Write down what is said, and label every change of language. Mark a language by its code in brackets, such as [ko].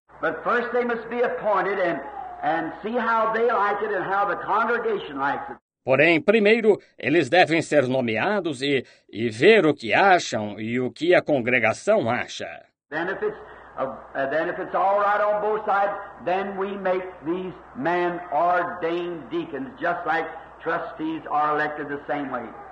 [en] But first they must be appointed and see how they like it and how the congregation likes it. [pt] Porém, primeiro, eles devem ser nomeados e ver o que acham e o que a congregação acha. [en] Then if it's all right on both sides, then we make these men ordained deacons, just like trustees are elected the same way.